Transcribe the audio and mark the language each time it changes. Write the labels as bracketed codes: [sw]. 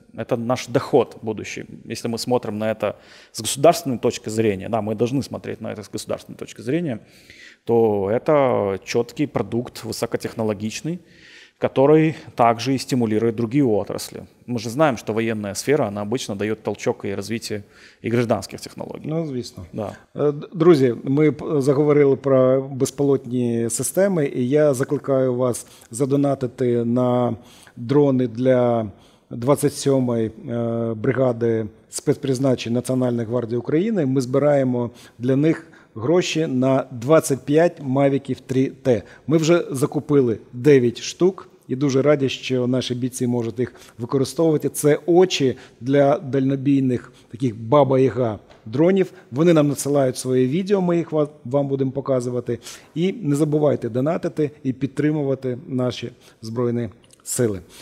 [ru] Это наш доход будущий. Если мы смотрим на это с государственной точки зрения, да, мы должны смотреть на это с государственной точки зрения, то это четкий продукт, высокотехнологичный, который также и стимулирует другие отрасли. Мы же знаем, что военная сфера, она обычно дает толчок и развитие и гражданских технологий. [uk] Ну, звісно. Да. Друзі, ми заговорили про безпілотні системи, і я закликаю вас задонатити на дрони для 27-ї бригади спецпризначень Національної гвардії України. Ми збираємо для них гроші на 25 Mavic 3T. Ми вже закупили 9 штук і дуже раді, що наші бійці можуть їх використовувати. Це очі для дальнобійних таких баба-яга дронів. Вони нам надсилають своє відео, ми їх вам будемо показувати. І не забувайте донатити і підтримувати наші збройні сили.